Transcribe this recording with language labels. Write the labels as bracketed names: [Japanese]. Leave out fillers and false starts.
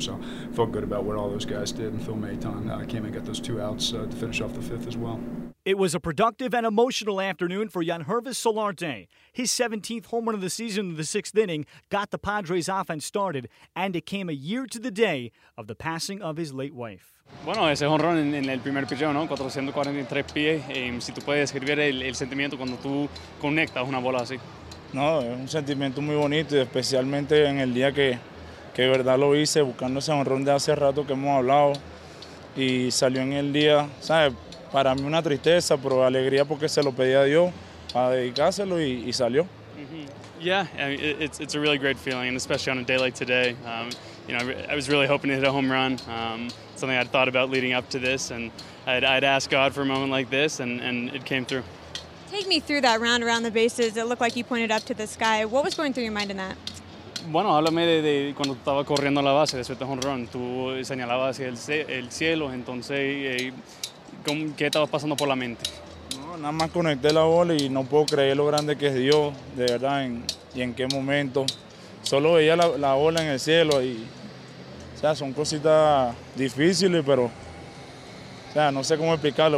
[English] So felt good about what all those guys did. And Phil Maton came and got those two outs to finish off the fifth as well. It was a productive and emotional afternoon for Yanhervis Solarte. His 17th home run of the season in the sixth inning got the Padres offense started, and it came a year to the day of the passing of his late wife. [Spanish] Bueno, ese home run en el primer picheo, ¿no? 443 pies. Si tú puedes describir el sentimiento cuando tú conectas una bola así. No, es un sentimiento muy bonito, especialmente en el día que de verdad lo hice, buscando ese home run de hace rato que hemos hablado. Y salió en el día, ¿sabes? Para mí una tristeza, pero alegría porque se lo pedí a Dios para dedicárselo y salió. [English] Yeah, I mean, it's a really great feeling, and especially on a day like today. I was really hoping to hit a home run, something I'd thought about leading up to this, and I'd asked God for a moment like this, and it came through. Take me through that round around the bases. It looked like you pointed up to the sky. What was going through your mind in that? [Spanish] Bueno, háblame de cuando estaba corriendo a la base, después de home run. Tú señalabas hacia el cielo, entonces, ¿qué estabas pasando por la mente? No, nada más conecté la bola y no puedo creer lo grande que es Dios, de verdad, y en qué momento. Solo veía la bola en el cielo y, o sea, son cositas difíciles, pero, o sea, no sé cómo explicarlo.